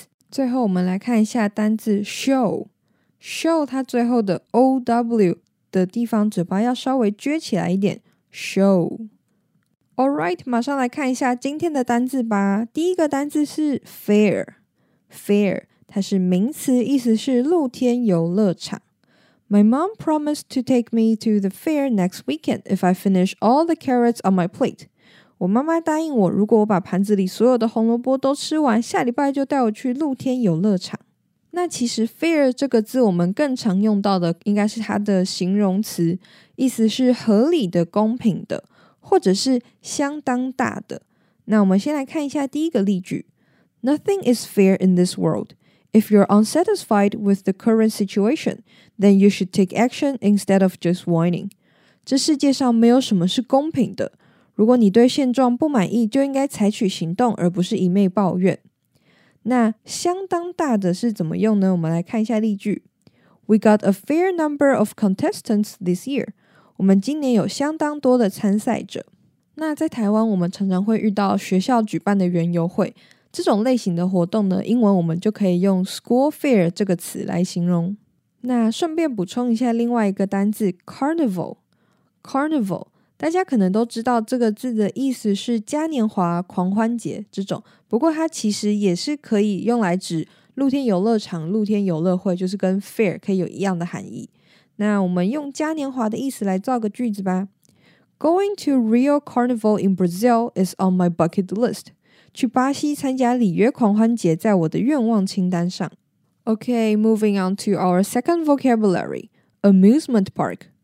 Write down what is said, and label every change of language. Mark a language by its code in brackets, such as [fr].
[zh] 最后我们来看一下单字 show， 它最后的 ow 的地方嘴巴要稍微撅起来一点 show。 [en] All right， [zh] 马上来看一下今天的单字吧。第一个单字是 fair。它是名词，意思是露天游乐场。 [en] My mom promised to take me to the fair next weekend if I finish all the carrots on my plate. [zh] 我妈妈答应我，如果我把盘子里所有的红萝卜都吃完，下礼拜就带我去露天游乐场。那其实 fair 这个字我们更常用到的应该是它的形容词，意思是合理的、公平的，或者是相当大的。那我们先来看一下第一个例句。 [en] Nothing is fair in this world. If you're unsatisfied with the current situation, then you should take action instead of just whining. [zh] 这世界上没有什么是公平的。如果你对现状不满意，就应该采取行动，而不是一昧抱怨。那相当大的是怎么用呢？我们来看一下例句。 [en] We got a fair number of contestants this year. [zh] 我们今年有相当多的参赛者。那在台湾，我们常常会遇到学校举办的园游会。这种类型的活动呢，英文我们就可以用 school fair 这个词来形容。那顺便补充一下另外一个单字 carnival， 大家可能都知道这个字的意思是嘉年华、狂欢节这种，不过它其实也是可以用来指露天游乐场、露天游乐会，就是跟 fair 可以有一样的含义。那我们用嘉年华的意思来造个句子吧。 [en] Going to Rio Carnival in Brazil is on my bucket list. [zh] 去巴西参加里约狂欢节在我的愿望清单上。 [en] Okay, moving on to our second vocabulary, amusement park.